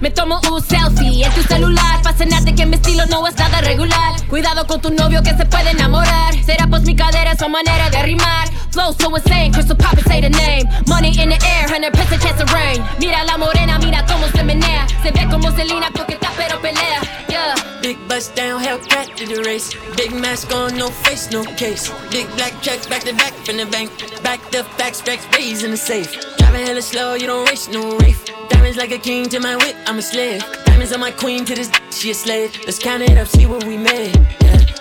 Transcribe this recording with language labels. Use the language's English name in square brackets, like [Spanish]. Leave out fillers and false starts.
[Spanish] Me tomo un selfie en tu celular. Pasa nada que mi estilo no es nada regular. Cuidado con tu novio que se puede enamorar. Será pues mi cadera su manera de arrimar. [English] Flow so insane, crystal pop and say the name. Money in the air, 100% chance of rain. [Spanish] Mira la morena, mira como se menea. Se ve como Selena, coqueta pero pelea. [English] Yeah. Big bust down, Hellcat to the race. Big mask on, no face, no case. Big black check, back to back from the bank. Back to back, stacks, raise in the safe. Driving hella slow, you don't race, no wraith. Diamonds like a king to my whip, I'm a slave. Diamonds on my queen to this, she a slave. Let's count it up, see what we made, yeah.